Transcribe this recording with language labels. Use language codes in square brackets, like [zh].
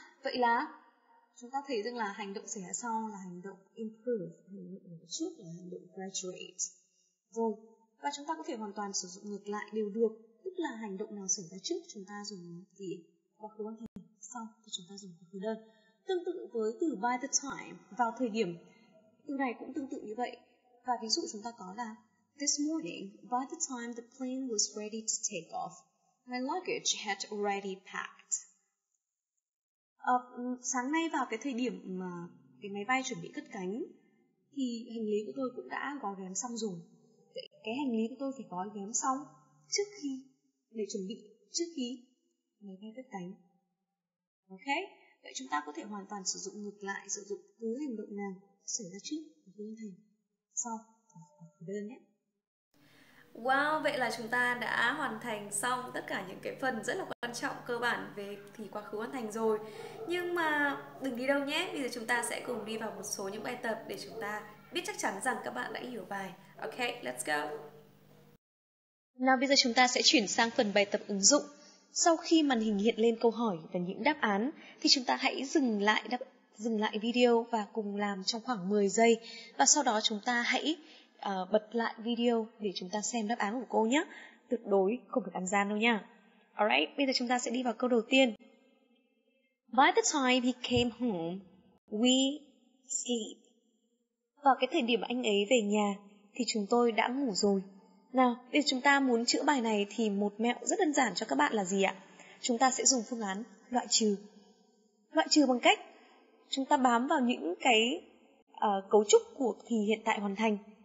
[vi] Vậy là chúng ta thấy rằng là hành động xảy ra sau là hành động improve, hành động trước là hành động graduate. Rồi, và chúng ta có thể hoàn toàn sử dụng ngược lại đều được, tức là hành động nào xảy ra trước chúng ta dùng thì quá khứ hoàn thành, sau thì chúng ta dùng quá khứ đơn. Tương tự với từ by the time, vào thời điểm, từ này cũng tương tự như vậy. Và ví dụ chúng ta có là [en] this morning, by the time the plane was ready to take off, my luggage had already packed. [vi] Sáng nay vào cái thời điểm mà cái máy bay chuẩn bị cất cánh thì hành lý của tôi cũng đã gói ghém xong rồi. Vậy cái hành lý của tôi phải gói ghém xong trước khi để chuẩn bị trước khi máy bay cất cánh. Ok, vậy chúng ta có thể hoàn toàn sử dụng ngược lại, sử dụng cứ hành động nào xảy ra trước cứ hành sau đơn nhé. Wow, vậy là chúng ta đã hoàn thành xong tất cả những cái phần rất là quan trọng cơ bản về thì quá khứ hoàn thành rồi. Nhưng mà đừng đi đâu nhé, bây giờ chúng ta sẽ cùng đi vào một số những bài tập để chúng ta biết chắc chắn rằng các bạn đã hiểu bài. [en] Ok, let's go. [vi] Nào bây giờ chúng ta sẽ chuyển sang phần bài tập ứng dụng. Sau khi màn hình hiện lên câu hỏi và những đáp án thì chúng ta hãy dừng lại dừng lại video và cùng làm trong khoảng 10 giây. Và sau đó chúng ta hãy bật lại video để chúng ta xem đáp án của cô nhé. Tuyệt đối không được ăn gian đâu nha. Alright, bây giờ chúng ta sẽ đi vào câu đầu tiên. [en] By the time he came home, we sleep. [vi] Vào cái thời điểm anh ấy về nhà thì chúng tôi đã ngủ rồi. Nào, để chúng ta muốn chữa bài này thì một mẹo rất đơn giản cho các bạn là gì ạ? Chúng ta sẽ dùng phương án loại trừ. Loại trừ bằng cách chúng ta bám vào những cái cấu trúc của thì hiện tại hoàn thành.